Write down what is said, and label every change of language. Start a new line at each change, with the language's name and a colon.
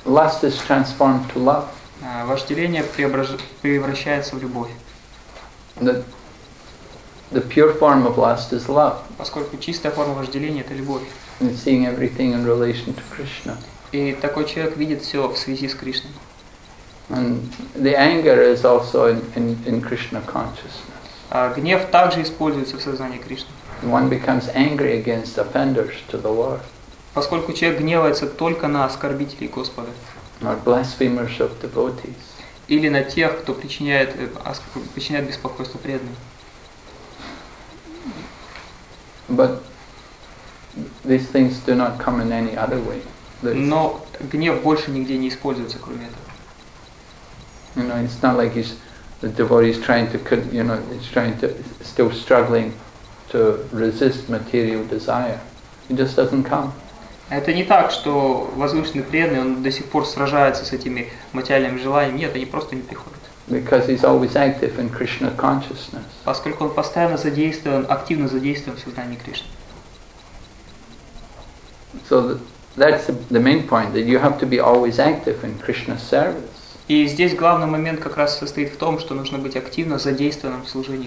English: Lust is transformed to love.
Russian: Вожделение превращается в любовь.
English: The pure form of lust is love.
Russian: Поскольку чистая форма вожделения — это любовь.
English: And seeing everything in relation to Krishna.
Russian: И такой человек видит все в связи с Кришной.
English: And the anger is also in Krishna consciousness.
Russian: Гнев также используется в сознании Кришны.
English: One becomes angry against offenders to the Lord.
Russian: Поскольку человек гневается только на оскорбителей Господа.
English: Or blasphemers of devotees.
Russian: Или на тех, кто причиняет беспокойство преданным.
English: But these things do not come in any other way.
Russian: Но гнев больше нигде не используется, кроме этого.
English: You know, it's not like the devotee is trying to, you know, it's trying to still struggling to resist material desire. It just doesn't come.
Russian: Это не так, что возвышенный преданный, он до сих пор сражается с этими материальными желаниями. Нет, они просто не приходят.
English: Because he's always active in Krishna consciousness.
Russian: Поскольку он постоянно задействован, активно задействован в сознании Кришны.
English: So that's the main point, that you have to be always active in Krishna's service.
Russian: И здесь главный момент как раз состоит в том, что нужно быть активно задействованным в служении